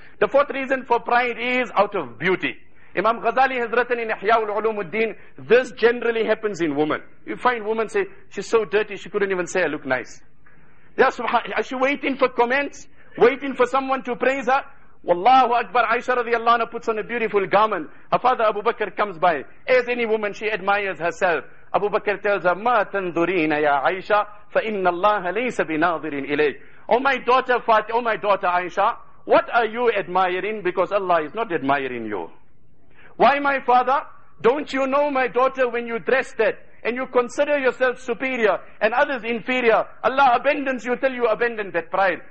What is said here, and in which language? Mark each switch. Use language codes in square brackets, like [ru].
[en] The fourth reason for pride is out of beauty. Imam Ghazali has written in Ihya'ul Ulumuddin, this generally happens in women. You find women say, she's so dirty, she couldn't even say I look nice. Ya subhanAllah, is she waiting for comments? Waiting for someone to praise her? Wallahu Akbar, Aisha radiallahu anha puts on a beautiful garment. Her father Abu Bakr comes by. As any woman, she admires herself. Abu Bakr tells her, [ar] مَا تَنْذُرِينَ يَا عَيْشَ فَإِنَّ اللَّهَ لَيْسَ بِنَاظِرٍ إِلَيْكَ. [en] Oh my daughter Fatih, oh my daughter Aisha, what are you admiring? Because Allah is not admiring you. Why, my father? Don't you know, my daughter, when you dress that and you consider yourself superior and others inferior, Allah abandons you till you abandon that pride.